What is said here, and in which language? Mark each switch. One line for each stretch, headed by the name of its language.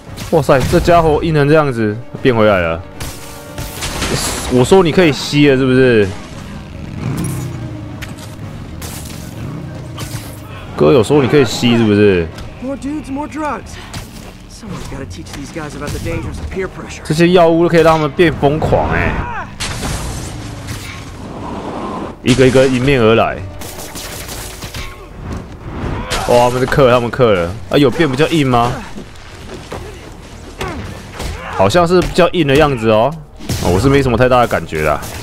Chinese: 哇塞，这家伙硬成这样子，变回来了！我说你可以吸了，是不是？哥有说你可以吸是不是？
English: More dudes, more drugs. Someone's got to teach these guys about the dangers of peer pressure.
Chinese: 这些药物都可以让他们变疯狂哎、欸！一个一个迎面而来。哇，他们是克了，他们克了。啊，有变比较硬吗？好像是比较硬的样子哦。哦，我是没什么太大的感觉啦。